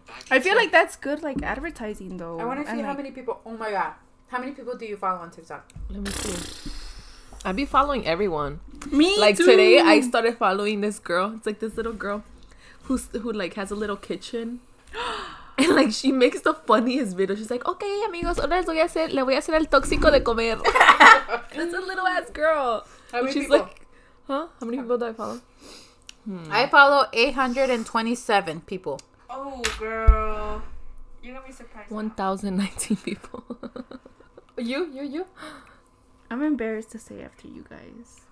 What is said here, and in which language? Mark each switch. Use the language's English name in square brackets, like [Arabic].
[English] I feel like that's good, like, advertising, though. I want to see how many people... Oh, my God. How many people do you follow on TikTok? Let me see. I be following everyone. Me, like, too. Today, I started following this girl. It's, like, this little girl who has a little kitchen. And, like, she makes the funniest video. She's like, okay, [Spanish] amigos, ahora le voy a hacer el tóxico de comer. [English] That's a little-ass girl. How many people do I follow? I follow 827 people. Oh, girl. You're going to be surprised. 1,019 people. You? I'm embarrassed to say after you guys.